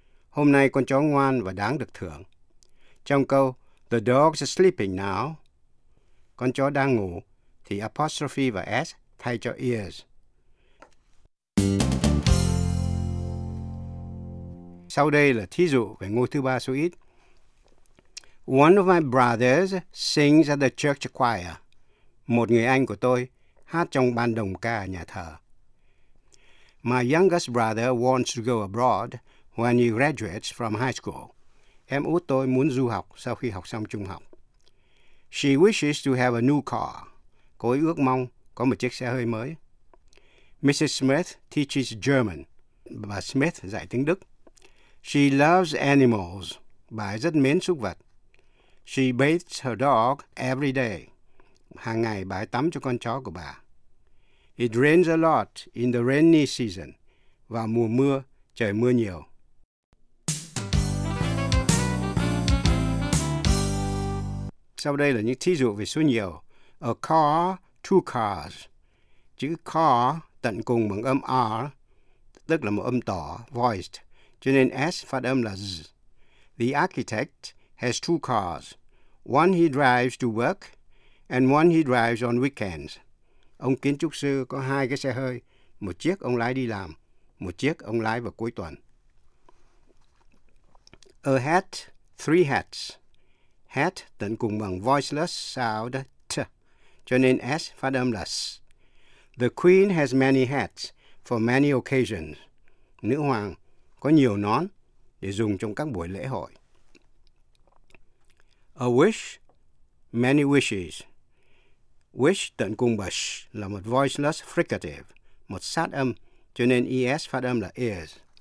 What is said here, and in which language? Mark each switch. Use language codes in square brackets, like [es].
[vi] Hôm nay con chó ngoan và đáng được thưởng. Trong câu [en] The dog's sleeping now, [vi] con chó đang ngủ, thì apostrophe và S thay cho ears. Sau đây là thí dụ về ngôi thứ ba số ít. [en] One of my brothers sings at the church choir. [vi] Một người anh của tôi hát trong ban đồng ca ở nhà thờ. [en] My youngest brother wants to go abroad when he graduates from high school. [vi] Em út tôi muốn du học sau khi học xong trung học. [en] She wishes to have a new car. [vi] Cô ấy ước mong có một chiếc xe hơi mới. [en] Mrs. Smith teaches German. [vi] Bà Smith dạy tiếng Đức. [en] She loves animals. [vi] Bà ấy rất mến súc vật. [en] She bathes her dog every day. [vi] Hàng ngày bà ấy tắm cho con chó của bà. [en] It rains a lot in the rainy season. [vi] Vào mùa mưa, trời mưa nhiều. Sau đây là những thí dụ về số nhiều. [en] A car, two cars. [vi] Chữ car tận cùng bằng âm R, tức là một âm tỏ, voiced, cho nên S phát âm là Z. [en] The architect has two cars. One he drives to work and one he drives on weekends. [vi] Ông kiến trúc sư có hai cái xe hơi, một chiếc ông lái đi làm, một chiếc ông lái vào cuối tuần. [en] A hat, three hats. [vi] Hat tận cùng bằng voiceless sound t, cho nên s phát âm là s. [en] The queen has many hats for many occasions. [vi] Nữ hoàng có nhiều nón để dùng trong các buổi lễ hội. [en] A wish, many wishes. [vi] Wish tận cùng bằng sh là một voiceless fricative, một sát âm, cho nên es phát âm là ears.